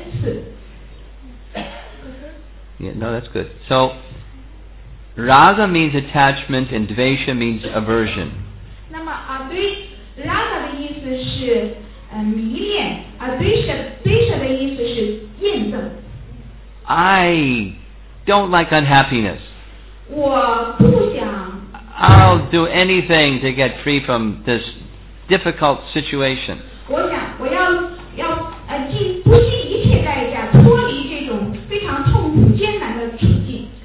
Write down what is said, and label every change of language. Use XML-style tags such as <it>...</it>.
<zh>译文：一个人如果能够摆脱一切执着和厌恶，遵守对自由的规范限制、控制感官，就能够获得主的彻底恩赐。</zh> <en>Yeah, no, that's good. So, raga means attachment, and dvesha means aversion.</en> <zh>那么，对raga的意思是迷恋，而对dvesha的意思是厌恶。</zh> <en>I don't like unhappiness.</en> <zh>我不想,</zh> <en>I'll do anything to get free from this difficult situation.</en> <zh>我想我要尽不惜一切代价脱离这种非常痛苦艰难的处境.</zh>